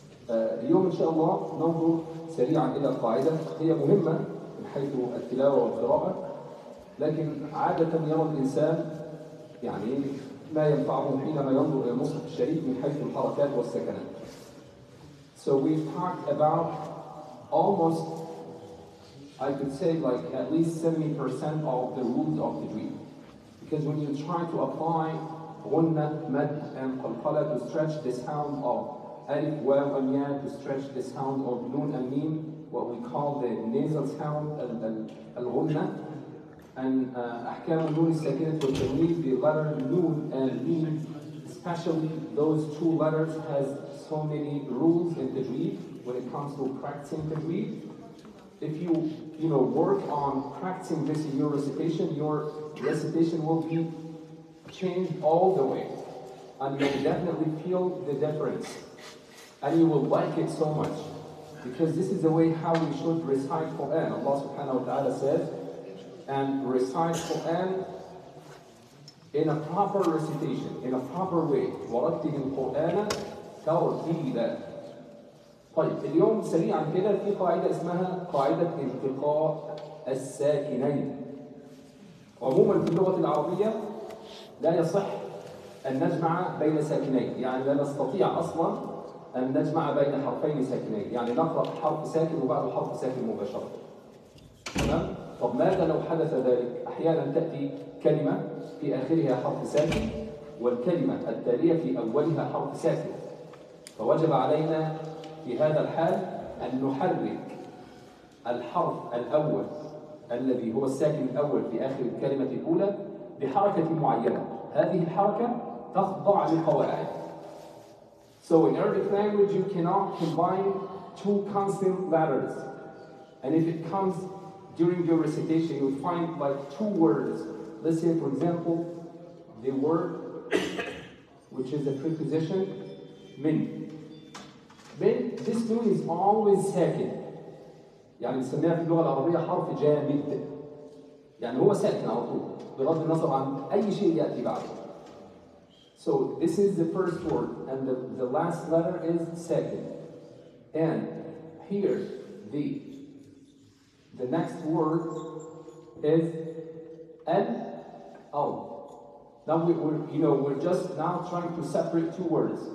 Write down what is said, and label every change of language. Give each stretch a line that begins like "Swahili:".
Arabic: اليوم إن شاء الله ننظر سريعا إلى القاعدة، هي مهمة من حيث التلاوة والقراءة، لكن عادة يرى الإنسان يعني ما ينفعه حينما ينظر إلى المصحف الشريف من حيث الحركات والسكنات.
English: So we talked about almost, I could say like at least 70% of the rules of the tajweed. Because when you try to apply غنّة، مد، and قلقلة to stretch the sound of ألف و غنيا to stretch the sound of نون أمين، what we call the nasal sound الغنّة، and
Arabic: أحكام النون الساكنة والتنوين
English: the letter نون and ميم، especially those two letters has so many rules in تجويد when it comes to practicing تجويد. If you work on practicing this in your recitation will be changed all the way, and you will definitely feel the difference, and you will like it so much, because this is the way how we should recite Quran. Allah Subhanahu wa Taala said, and recite Quran in a proper recitation, in a proper way.
Arabic: ورتل القرآن ترتيلا. طيب اليوم سريعا كده، في قاعدة اسمها قاعدة التقاء الساكنين. عموما في اللغة العربية لا يصح أن نجمع بين ساكنين، يعني لا نستطيع أصلا أن نجمع بين حرفين ساكنين، يعني نقرأ حرف ساكن وبعد حرف ساكن مباشرة، تمام؟ طب ماذا لو حدث ذلك؟ أحيانا تأتي كلمة في آخرها حرف ساكن والكلمة التالية في أولها حرف ساكن، فوجب علينا في هذا الحال أن نحرك الحرف الأول الذي هو الساكن الأول في آخر الكلمة الأولى بحركة معينة. هذه الحركة تخضع لقواعد.
English: So in Arabic language you cannot combine two consonant letters. And if it comes during your recitation you find like two words. Let's say for example the word which is a preposition من. من this noon is always ساكن.
Arabic: يعني نسميها في اللغة العربية حرف جامد. يعني هو ساكن على طول بغض النظر عن أي شيء يأتي بعده.
English: So this is the first word and the last letter is ساكن. And here the next word is ال أو. Now we're just now trying to separate two words.